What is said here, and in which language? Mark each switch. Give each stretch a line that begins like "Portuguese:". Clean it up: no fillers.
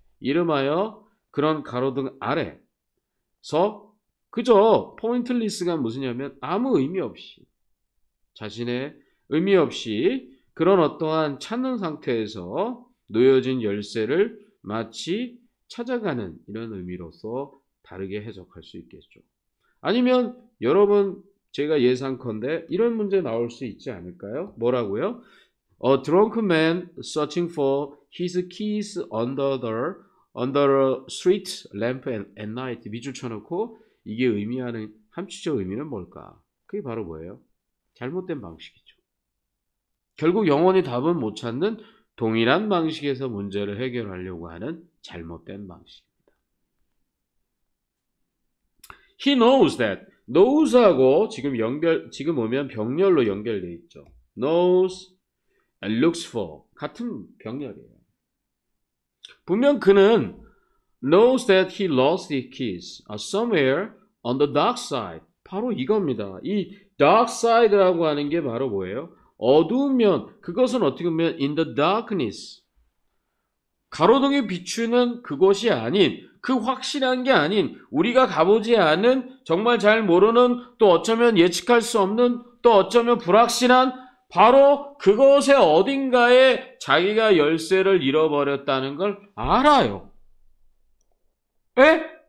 Korean: 이름하여 그런 가로등 아래서 그저 pointless가 무슨냐면 아무 의미 없이 자신의 의미 없이 그런 어떠한 찾는 상태에서 놓여진 열쇠를 마치 찾아가는 이런 의미로서 다르게 해석할 수 있겠죠. 아니면 여러분 제가 예상컨대 이런 문제 나올 수 있지 않을까요? 뭐라고요?
English: A drunk man searching for his keys under a street lamp at night.
Korean: 밑줄 쳐놓고 이게 의미하는 함축적 의미는 뭘까? 그게 바로 뭐예요? 잘못된 방식이죠. 결국 영원히 답은 못 찾는 동일한 방식에서 문제를 해결하려고 하는 잘못된 방식입니다.
English: He knows that.
Korean: knows하고 지금 오면 병렬로 연결되어 있죠.
English: knows and looks for.
Korean: 같은 병렬이에요. 분명 그는
English: knows that he lost his keys somewhere on the dark side.
Korean: 바로 이겁니다. 이 dark side라고 하는 게 바로 뭐예요? 어두운 면, 그것은 어떻게 보면
English: in the darkness.
Korean: 가로등이 비추는 그곳이 아닌, 그 확실한 게 아닌, 우리가 가보지 않은, 정말 잘 모르는, 또 어쩌면 예측할 수 없는, 또 어쩌면 불확실한, 바로 그곳의 어딘가에 자기가 열쇠를 잃어버렸다는 걸 알아요. 에?